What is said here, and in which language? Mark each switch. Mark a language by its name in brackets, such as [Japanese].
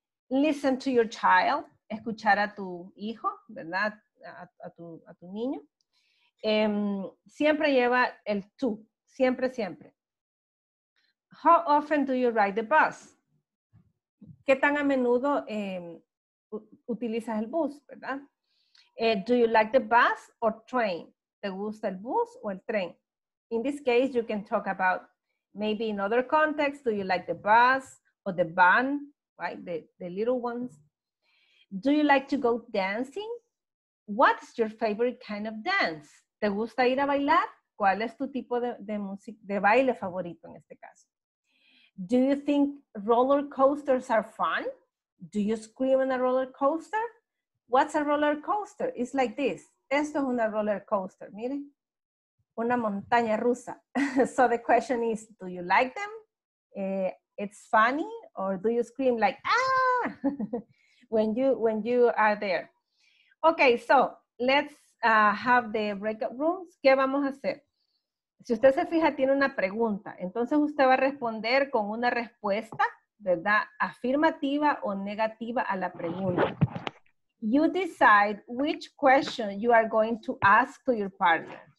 [English] Listen to your child, [Spanish] escuchar a tu hijo, ¿verdad? A tu niño. Siempre lleva el tú, siempre, siempre. [English] How often do you ride the bus? [Spanish] ¿Qué tan a menudo utilizas el bus, verdad? [English] Do you like the bus or train? [Spanish] ¿Te gusta el bus o el tren? [English] In this case, you can talk about maybe in other contexts, do you like the bus or the van? Right, the little ones. Do you like to go dancing? What's your favorite kind of dance? [Spanish] ¿Te gusta ir a bailar? ¿Cuál es tu tipo de baile favorito en este caso? [English] Do you think roller coasters are fun? Do you scream on a roller coaster? What's a roller coaster? It's like this. [Spanish] Esto es una roller coaster. Miren, una montaña rusa. [English] So the question is, do you like them? It's funny. Or do you scream like, ah, when you are there? Okay, so let's have the breakout rooms. [Spanish] ¿Qué vamos a hacer? Si usted se fija, tiene una pregunta. Entonces usted va a responder con una respuesta, ¿verdad? Afirmativa o negativa a la pregunta. [English] You decide which question you are going to ask to your partner.